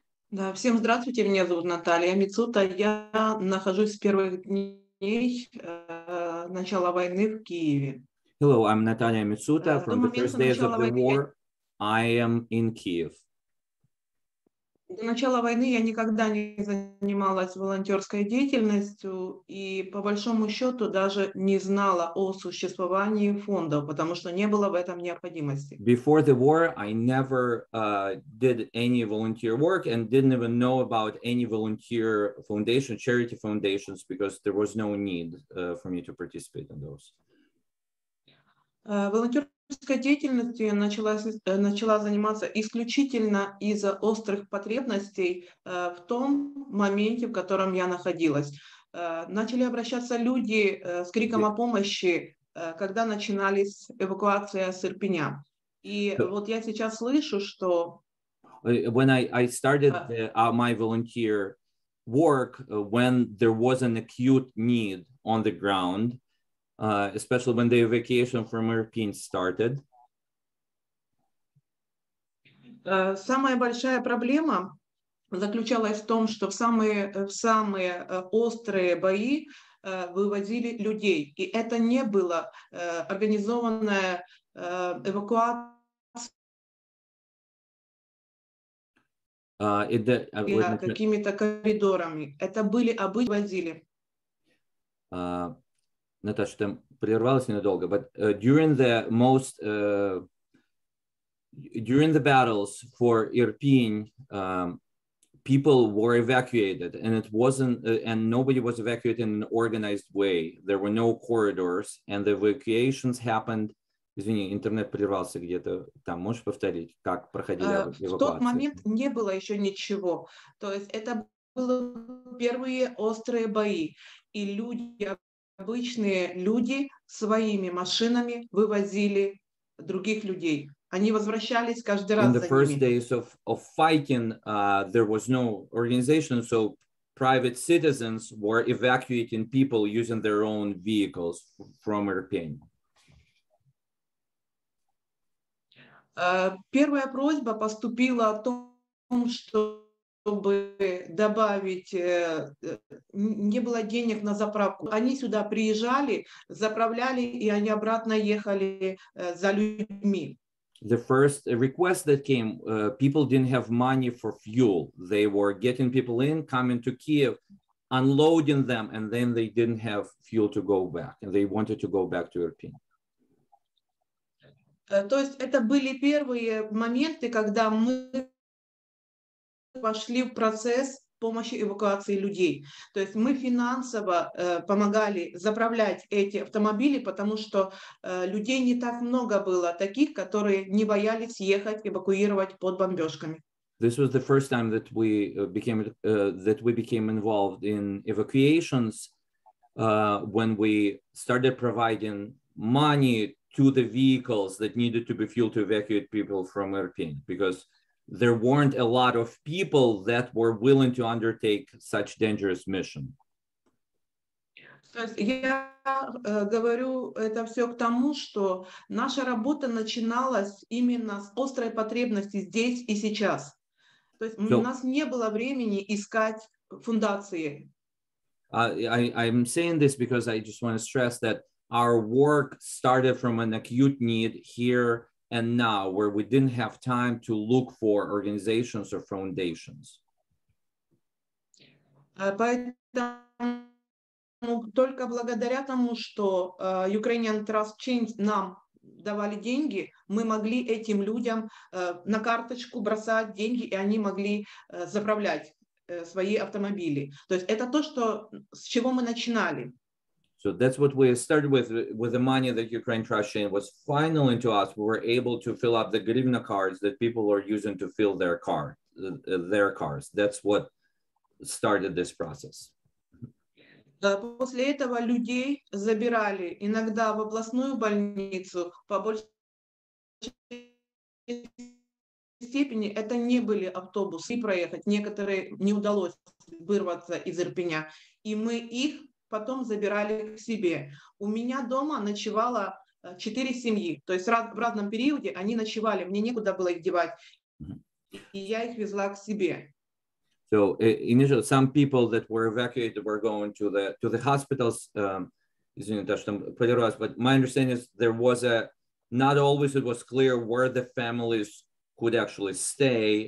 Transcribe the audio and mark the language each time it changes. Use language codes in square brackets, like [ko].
[ru] Да, всем здравствуйте, меня зовут Наталья Мицута. Я нахожусь с первых дней начала войны в Киеве. [en] Hello, I'm Natalia Mytsuta. From the first days of the war, I am in Kyiv. [ru] До начала войны я никогда не занималась волонтерской деятельностью и, по большому счету, даже не знала о существовании фондов, потому что не было в этом необходимости. [en] Before the war, I never did any volunteer work and didn't even know about any volunteer foundation, charity foundations, because there was no need for me to participate in those. [ru] Волонтерской деятельностью я начала заниматься исключительно из-за острых потребностей в том моменте, в котором я находилась. Начали обращаться люди с криком о помощи, когда начинались эвакуация с Ирпеня. И вот я сейчас слышу, что... [en] When I started my volunteer work, when there was an acute need on the ground, especially when the evacuation from Irpin started. [ru] Самая большая проблема заключалась в том, что в самые острые бои выводили людей. И это не было организованная эвакуация какими-то коридорами. Это были обычные выводили. Наташа, там прервалась ненадолго, [en] but during the battles for Irpin, people were evacuated, and it wasn't, and nobody was evacuated in an organized way. There were no corridors, and the evacuations happened. [ru] Извини, интернет прервался где-то там. Можешь повторить, как проходили эвакуации? В тот момент не было еще ничего. То есть это были первые острые бои, и люди, обычные люди, своими машинами вывозили других людей. Они возвращались каждый раз за ними. [en] In the first days of fighting, there was no organization, so private citizens were evacuating people using their own vehicles from Irpin. [ru] Первая просьба поступила о том, чтобы добавить, не было денег на заправку. Они сюда приезжали, заправляли, и они обратно ехали за людьми. [en] The first request that came, people didn't have money for fuel. They were getting people in, coming to Kyiv, unloading them, and then they didn't have fuel to go back, and they wanted to go back to Irpin. [ru] То есть это были первые моменты, когда мы вошли в процесс помощи эвакуации людей. То есть мы финансово помогали заправлять эти автомобили, потому что людей не так много было, таких, которые не боялись ехать эвакуировать под бомбежками. [en] This was the first time that we became involved in evacuations when we started providing money to the vehicles that needed to be fueled to evacuate people from Irpin, because there weren't a lot of people that were willing to undertake such dangerous mission. [ru] Я говорю это все к тому, что наша работа начиналась именно с острой потребности здесь и сейчас. То есть у нас не было времени искать фундации. [en] I'm saying this because I just want to stress that our work started from an acute need here and now, where we didn't have time to look for organizations or foundations. [ru] Поэтому только благодаря тому, что Ukrainian Trust Change нам давали деньги, мы могли этим людям на карточку бросать деньги, и они могли заправлять свои автомобили. То есть это то, что с чего мы начинали. [en] So that's what we started with the money that Ukraine Trust Chain was finally to us. We were able to fill up the grivna cards that people are using to fill their cars. That's what started this process. [ru] После этого людей забирали иногда в областную больницу. По большей степени это не были автобусы. Проехать некоторые не удалось вырваться из Ирпеня, и мы их потом забирали к себе. У меня дома ночевало 4 семьи. То есть в разном периоде они ночевали. Мне некуда было их девать. И я их везла к себе. [en] So initially some people that were evacuated were going to the hospitals. But my understanding is there was a, not always it was clear where the families could actually stay.